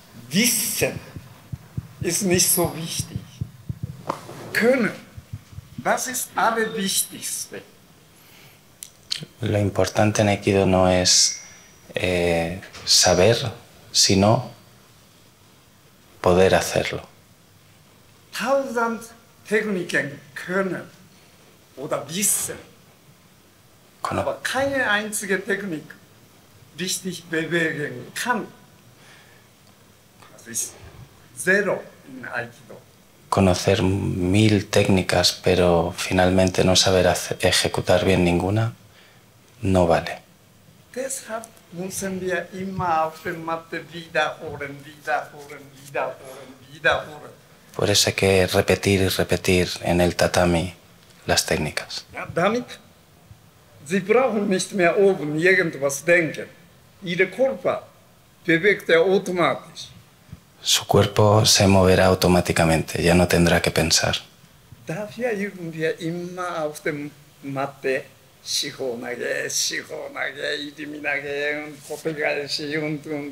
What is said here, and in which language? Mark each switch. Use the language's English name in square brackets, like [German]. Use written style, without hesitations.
[German] Wissen ist nicht so wichtig. Können, das ist aber wichtigste. [Spanish] Lo importante en Aikido no es saber, sino poder hacerlo. [German] Tausend Techniken können oder wissen, aber keine einzige Technik richtig bewegen kann. Das ist zero in Aikido. [Spanish] Conocer mil técnicas, pero finalmente no saber ejecutar bien ninguna, no vale. [German] Deshalb müssen wir immer auf der Matte wiederholen, wiederholen, wiederholen, wiederholen. [Spanish] Por eso hay que repetir y repetir en el tatami las técnicas. [German] Ja, damit Sie brauchen nicht mehr oben irgendwas denken. Ihr Körper bewegt er automatisch. [Spanish] Su cuerpo se moverá automáticamente, ya no tendrá que pensar. [German] Dafür üben wir immer auf dem Matte Shihonage, Shihonage, Iriminage, Kopegashi und.